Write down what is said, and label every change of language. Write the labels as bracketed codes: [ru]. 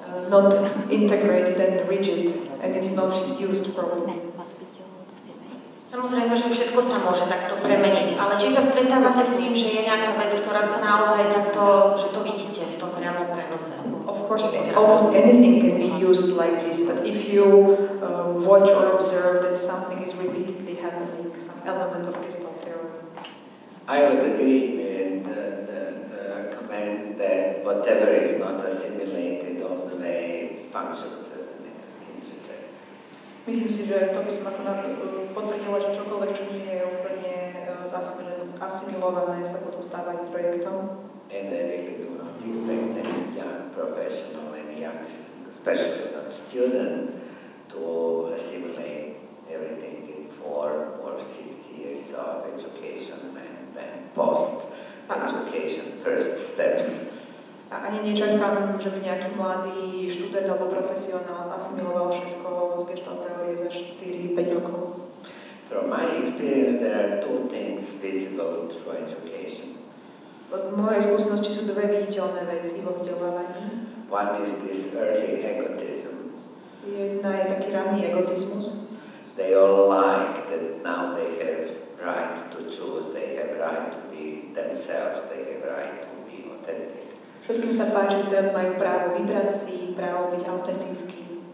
[en] Not integrated and rigid, and it's not used properly. [sk] Samozrejme, že všetko sa môže takto premeniť, ale či sa stretávate s tým, že je nejaká vec, ktorá sa naozaj takto, že to vidíte v tom priamom prenose? [en] Of course, almost anything can be used like this, but if you watch or observe that something is repeatedly happening, some element of gestalt therapy. I would agree with the comment that whatever is not assimilated all the way functions as an interject. [sk] Myslím si, že to by som ako potvrdila, že čokoľvek, čo nie je úplne asimilované, sa potom stáva introjektom. [en] And I really do not expect any young professional, any young, especially not student, to assimilate everything in 4 or 6 years of education and then post education first steps. [sk] A ani nečakám, že by nejaký mladý študent alebo profesionál asimiloval všetko z gestalt teórie za 4-5 rokov. [en] From my experience there are 2 things visible through education. [sk] Z mojej skúsenosti sú 2 viditeľné veci vo vzdelávaní. [en] One is this early egotism. [sk] Jedna je taký ranný egotizmus. [en] They all like that now they have right to choose, they have right to be themselves, they have right to be authentic. [sk] Všetkým sa páči, že teraz majú právo vybrať si, právo byť autentický.